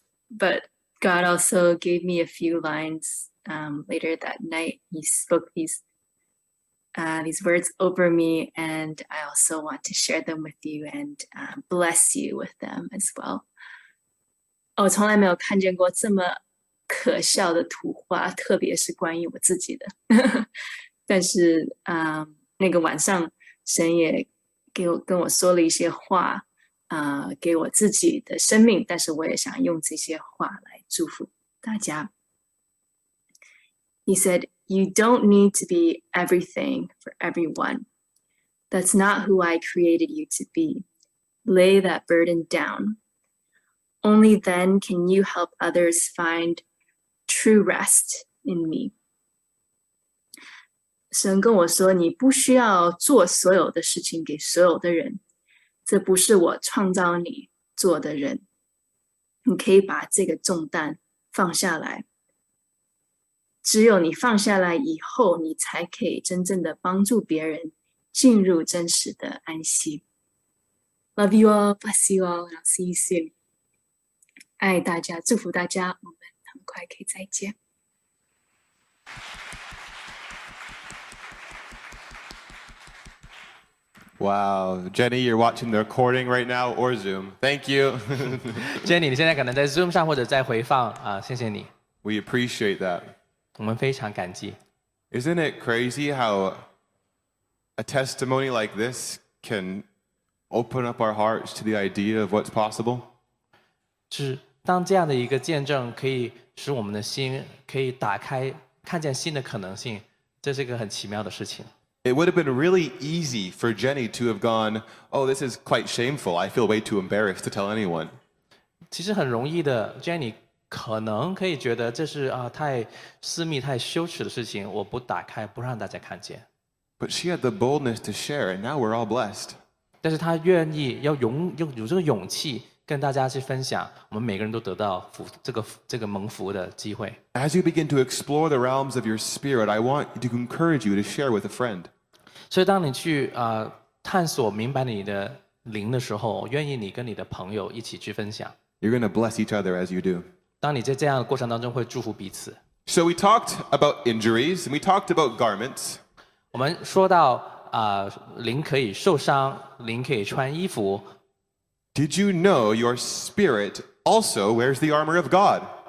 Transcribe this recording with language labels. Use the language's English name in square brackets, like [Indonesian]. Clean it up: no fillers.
[English] But God also gave me a few lines later that night. He spoke these words over me, and I also want to share them with you and bless you with them as well. [Chinese] 我从来没有看见过这么可笑的图画，特别是关于我自己的。但是那个晚上神也跟我说了一些话给我自己的生命，但是我也想用这些话来祝福大家。 [English] He said, you don't need to be everything for everyone. That's not who I created you to be. Lay that burden down. Only then can you help others find true rest in me. [Chinese] 神跟我说，你不需要做所有的事情给所有的人，这不是我创造你做的人，你可以把这个重担放下来。只有你放下来以后，你才可以真正的帮助别人进入真实的安息。 [English] Love you all, bless you all, and I'll see you soon. [Chinese] 爱大家，祝福大家，我们很快可以再见。 [English] Wow, Jenny, you're watching the recording right now or Zoom. Thank you. [Chinese] Jenny, 你现在可能在 Zoom 上或者在回放啊，谢谢你。 [English] We appreciate that. [Chinese] 我们非常感激。 [English] Isn't it crazy how a testimony like this can open up our hearts to the idea of what's possible? [Chinese] 是，当这样的一个见证可以使我们的心可以打开，看见新的可能性，这是一个很奇妙的事情。 [English] It would have been really easy for Jenny to have gone, oh, this is quite shameful. I feel way too embarrassed to tell anyone. [Chinese] 其实很容易的 ,Jenny 可能可以觉得这是啊太私密太羞耻的事情我不打开不让大家看见。 [English] But she had the boldness to share and now we're all blessed. [Chinese] 但是她愿意要勇有这个勇气跟大家去分享我们每个人都得到福这个蒙福的机会。 [English] As you begin to explore the realms of your spirit, I want to encourage you to share with a friend. [Chinese] 所以当你去探索明白你的灵的时候愿意你跟你的朋友一起去分享。 [English] You're going to bless each other as you do. [Chinese] 当你在这样的过程当中会祝福彼此。 [English] So we talked about injuries, and we talked about garments. [Chinese] 我们说到灵可以受伤灵可以穿衣服。 [English] Did you know your spirit also wears the armor of God?